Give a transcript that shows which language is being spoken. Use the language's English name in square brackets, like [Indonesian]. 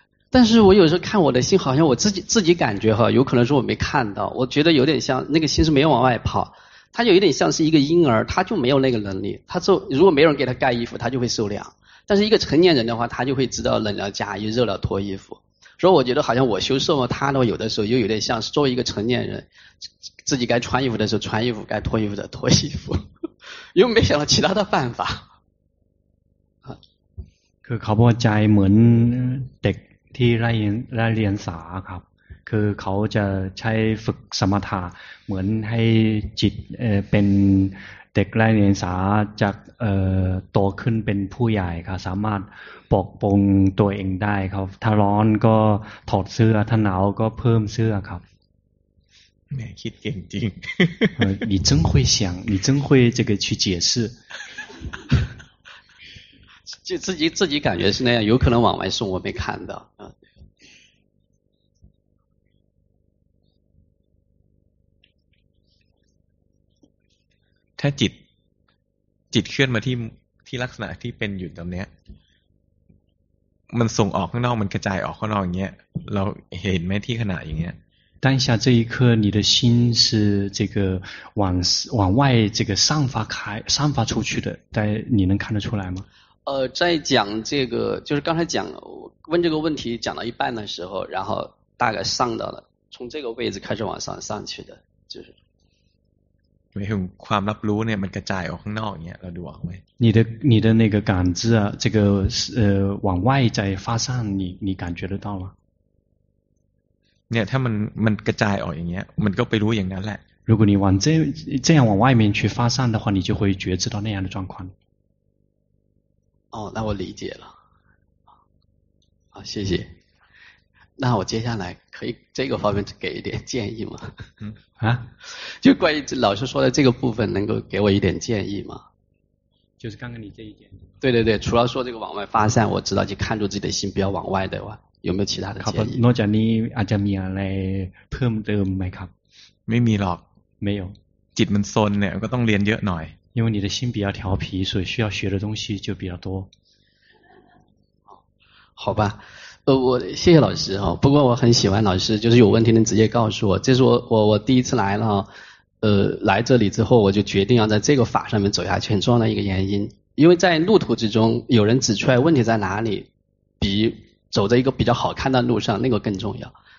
[Chinese] 但是我有时候看我的心好像我自己感觉哈，有可能是我没看到，我觉得有点像那个心是没有往外跑，它有点像是一个婴儿，它就没有那个能力，它就如果没人给它盖衣服它就会受凉，但是一个成年人的话它就会知道冷了加衣热了脱衣服，所以我觉得好像我修受它的话有的时候又有点像是作为一个成年人自己该穿衣服的时候穿衣服，该脱衣服的脱衣服，又没想到其他的办法。 [Thai] คือเขาบอกใจเหมือนเด็กที่ได้เรียนสาครับคือเขาจะใช้ฝึกสมถะเหมือนให้จิตเป็นเด็กได้เรียนสาจากโตขึ้นเป็นผู้ใหญ่ครับสามารถปกป้องตัวเองได้ครับถ้าร้อนก็ถอดเสื้อถ้าหนาวก็เพิ่มเสื้อครับ แม่คิดเก่งจริง [Chinese] 你真会想你真会这个去解释就自己感觉是那样，有可能往外送，我没看到啊。 [Thai] ถ้าจิตเคลื่อนมาที่ลักษณะที่เป็นอยู่ตรงเนี้ยมันส่งออกข้างนอกมันกระจายออกข้างนอกอย่างเงี้ยเราเห็นไหมที่ขณะอย่างเงี้ย [Chinese] 当下这一刻，你的心是这个往外这个散发开、散发出去的，但你能看得出来吗？在讲这个，就是刚才讲问这个问题讲到一半的时候，然后大概上到了从这个位置开始往上上去的，就是。没有 [Thai] ความรับรู้เนี่ยมันกระจายออกข้างนอกอย่างเงี้ยเราดูออกไหม？ [Chinese] 你的那个感知啊，这个往外在发散，你感觉得到吗？ [Thai] เนี่ยถ้ามันกระจายออกอย่างเงี้ยมันก็ไปรู้อย่างนั้นแหละ [Chinese] 如果你往这样往外面去发散的话你就会觉知到那样的状况哦那我理解了好谢谢那我接下来可以这个方面给一点建议吗啊就关于老师说的这个部分能够给我一点建议吗就是刚刚你这一点对对对除了说这个往外发散我知道就看住自己的心不要往外的话有没有其他的建议 [Thai] นอกจากนี้อาจจะมีอะไรเพิ่มเติมไหมครับ ไม่มีหรอก ไม่有 จิตมันซนเนี่ยก็ต้องเรียนเยอะหน่อย [Chinese] 因为你的心比较调皮所以需要学的东西就比较多好吧我谢谢老师不过我很喜欢老师就是有问题能直接告诉我这是我第一次来了来这里之后我就决定要在这个法上面走下去很重要的一个原因因为在路途之中有人指出来问题在哪里比走在一个比较好看的路上那个更重要